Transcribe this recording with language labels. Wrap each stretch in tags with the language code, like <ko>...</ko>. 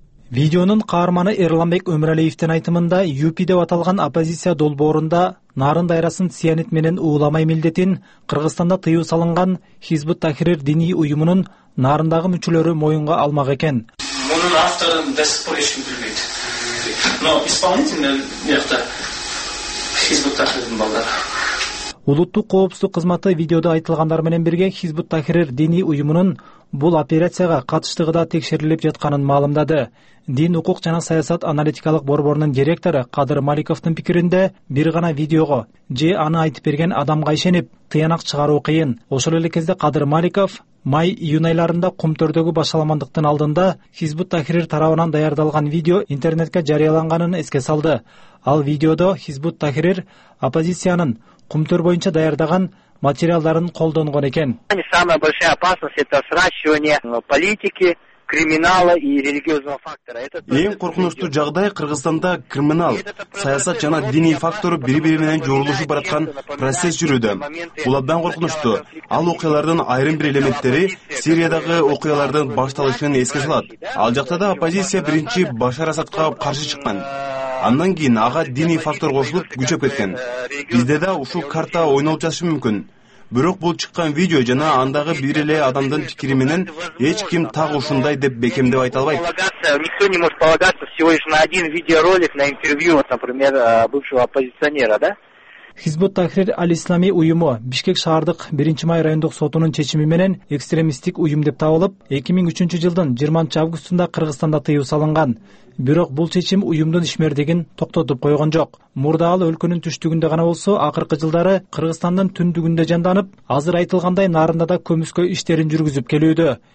<ky>Видеонун каарманы Эрланбек Өмүрәлиевдин айтымында ЮП деп аталган оппозиция долбоорунда Нарын дайрасын цианид менен ууламай милдетин Кыргызстанда тыюу салынган Хизбут Тахрир диний уюмунун Нарындагы мүчөлөрү моюнга алмак экен. Мунун авторун до сих пор эчким билбейт. Но исполнительный мыякта Хизбут Тахрирдин балдары. Улуттук коопсуздук кызматы видеодо айтылгандар менен бирге Хизбут Тахрир диний уюмунун бул операцияга катыштыгы да текшерилип жатканын маалымдады. Дин укук жана саясат аналитикалык борборунун директору Кадыр Маликовдун пикиринде бир гана видеого же аны айтып берген адамга ишенип тыянак чыгаруу кыйын. Ошол эле кезде Кадыр Маликов май июнь айларында Кумтөрдөгү башаламандыктын алдында Хизбут Тахрир тарабынан даярдалган видео интернетке жарыяланганын эске салды. Ал видеодо Хизбут Тахрир оппозициянын Кумтөр боюнча даярдаган материалдарын колдонгон экен.</ky> <ru>Самая большая опасность это сращивание политики, криминала и религиозного фактора.</ru> <ky>Эң коркунучтуу жагдай Кыргызстанда криминал, саясат жана диний фактору бири-бири менен жоорулушуп бараткан процесс жүрүүдө. Бул абдан коркунучтуу. Ал окуялардын айрым бир элементтери Сириядагы окуялардын башталышын эске салат. Ал жакта да оппозиция биринчи Башар Асадка каршы чыккан. Андан кийин ага диний фактор кошулуп күчөп кеткен. Бизде да ушул карта ойнолуп жатышы мүмкүн. Бирок бул чыккан видео жана андагы бир эле адамдын пикири менен эч ким так ушундай деп бекемдеп айта албайт.</ky> <ru>Никто не может полагаться всего лишь на один видеоролик, на интервью, вот, например, бывшего оппозиционера, да?</ru> <ky>Хизбут Тахрир Ал-Ислами уюму Бишкек шаардык 1-май райондук сотунун чечими менен экстремисттик уюм деп табылып, 2003 жылдын 20 августунда Кыргызстанда тыюу салынган. Бирок бул чечим уюмдун ишмердигин токтотуп койгон жок. Мурда ал өлкөнүн түштүгүндө гана болсо, акыркы жылдары Кыргызстандын түндүгүндө жанданып, азыр айтылгандай нарында да көмүскө иштерин жүргүзүп келүүдө.</ky>